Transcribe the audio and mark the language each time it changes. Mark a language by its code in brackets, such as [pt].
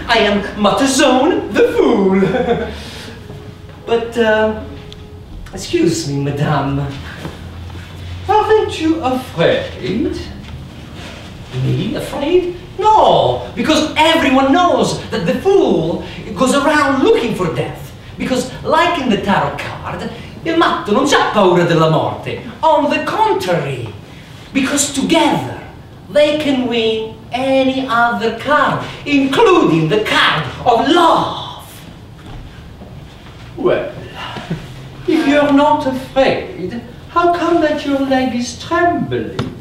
[en] I am Matazone the Fool. But, excuse me, madame. Aren't you afraid? Me afraid? No, because everyone knows that the fool goes around looking for death. Because, like in the tarot card, [it] il matto non c'ha paura della morte. [en] On the contrary, because together they can win any other card, including the card of love. Well, if you're not afraid, how come that your leg is trembling?